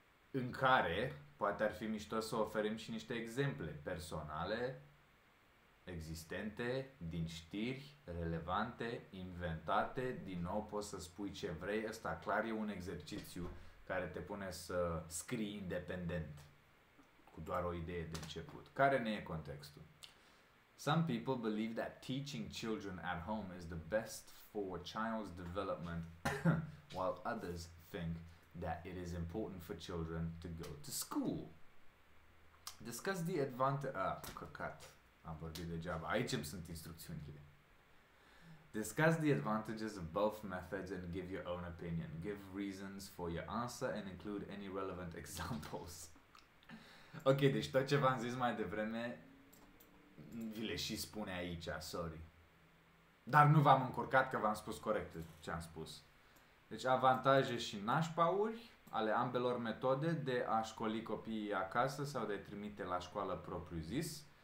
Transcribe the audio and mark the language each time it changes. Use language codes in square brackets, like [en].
[ro] În care poate ar fi mișto să oferim și niște exemple personale, existente, din știri, relevante, inventate, din nou poți să spui ce vrei, ăsta clar e un exercițiu care te pune să scrii independent, cu doar o idee de început. Care ne e contextul? [en] Some people believe that teaching children at home is the best for a child's development, while others think that it is important for children to go to school. Discuss the advantage... [ro] Am vorbit degeaba. Aici îmi sunt instrucțiunile. [en] Discuss the advantages of both methods and give your own opinion. Give reasons for your answer and include any relevant examples. [ro] Ok, deci tot ce v-am zis mai devreme vi le și spune aici, sorry. Dar nu v-am încurcat că v-am spus corect ce am spus. Deci avantaje și nașpauri ale ambelor metode de a școli copiii acasă sau de a trimite la școală propriu-zis.